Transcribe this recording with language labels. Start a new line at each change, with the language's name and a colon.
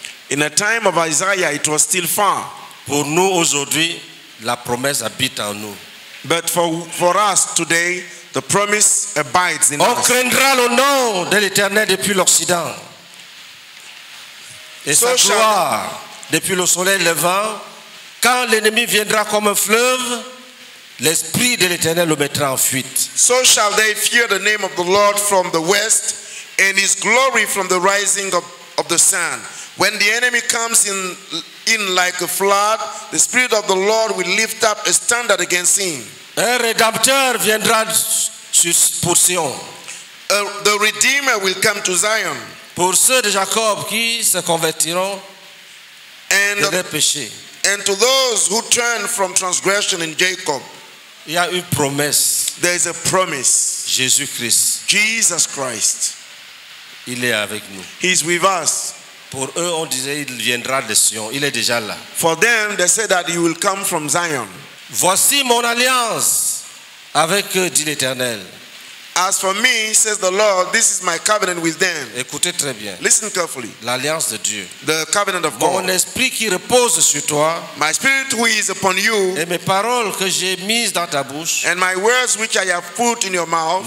English: In the time of Isaiah, it was still far.
French: Pour nous aujourd'hui, la promesse habite en nous.
English: But for us today, the promise abides in
French: us. On craindra le nom de l'Éternel depuis l'Occident. Et sa gloire depuis le soleil levant. Quand l'ennemi viendra comme un fleuve, l'Esprit de l'Éternel le mettra en fuite.
English: So shall they fear the name of the Lord from the west, and his glory from the rising of the sun. When the enemy comes in like a flood, the Spirit of the Lord will lift up a standard against him.
French: Un Rédempteur viendra pour Sion.
English: The Redeemer will come to Zion.
French: Pour ceux de Jacob qui se convertiront and de leur péché.
English: And to those who turn from transgression in Jacob,
French: il y a une promesse.
English: There is a promise.
French: Jésus Christ.
English: Jesus Christ.
French: Il est avec nous.
English: He is with us.
French: Pour eux, on disait il viendra de Sion. Il est déjà là.
English: For them, they said that he will come from Zion.
French: Voici mon alliance avec eux, dit l'Éternel.
English: As for me, says the Lord, this is my covenant with them.
French: Écoutez très bien.
English: Listen carefully.
French: L'alliance de Dieu.
English: The covenant of God.
French: Mon esprit qui repose sur toi.
English: My spirit who is upon you.
French: Et mes paroles que j'ai mises dans ta bouche.
English: And my words which I have put in your mouth.